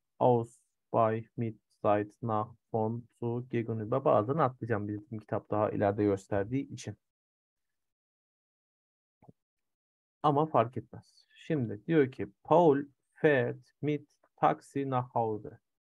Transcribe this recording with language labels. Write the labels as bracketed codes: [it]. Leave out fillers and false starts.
[de] Aus, bei, mit, seit, nach, von, zu, gegenüber. [tr] Bazılarını atlayacağım bizim kitap daha ileride gösterdiği için. Ama fark etmez. Şimdi diyor ki [de] Paul fährt mit taksi nach Hause.